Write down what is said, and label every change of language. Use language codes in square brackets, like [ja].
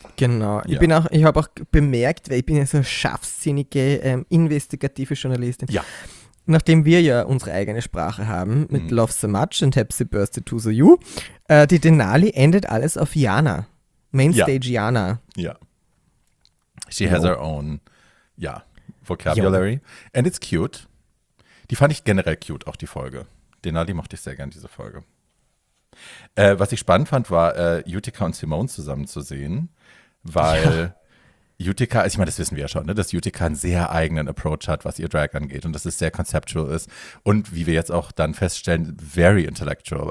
[de] Genau. Ja. Ich habe auch bemerkt, weil ich bin ja so scharfsinnige, investigative Journalistin. Ja. Nachdem wir ja unsere eigene Sprache haben, mit Love So Much und [en] Happy Birthday to So You, [de] die Denali endet alles auf Jana. Mainstage ja. Jana. Ja. [en] She has her own, [de] ja, [en] vocabulary. [de] Ja. [en] And it's cute. [de] Die fand ich generell cute, auch die Folge. Denali mochte ich sehr gern, diese Folge. Was ich spannend fand, war Utica und Simone zusammen zu sehen, weil ja. Utica, also ich meine, das wissen wir ja schon, ne, dass Utica einen sehr eigenen Approach hat, was ihr Drag angeht und dass es sehr conceptual ist und wie wir jetzt auch dann feststellen, [en] very intellectual.